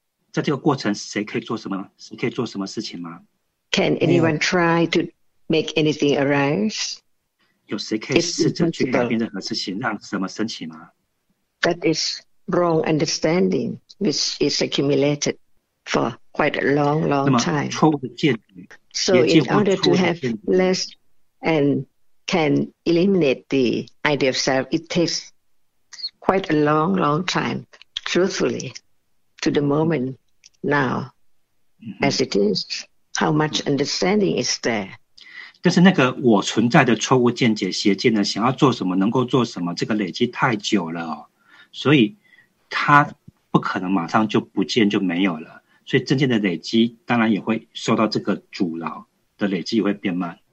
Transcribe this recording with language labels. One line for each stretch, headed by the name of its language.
Chinese: 在这个过程, 谁可以做什么, 谁可以做什么事情吗?
English: Can anyone try to make anything arise?
Chinese: 有谁可以试着去改变任何事情, 让什么升起吗?
English: That is wrong understanding, which is accumulated for quite a long, long time.
Chinese: 错误的见解,
English: so in order to have less and can eliminate the idea of self, it takes quite a long, long time, truthfully, to the moment now, mm-hmm. as it is. How much understanding is there?
Chinese: 但是那个我存在的错误见解邪见的想要做什么能够做什么这个累积太久了哦，所以 它不可能马上就不见就没有了，所以渐渐的累积当然也会受到这个阻挠的累积也会变慢。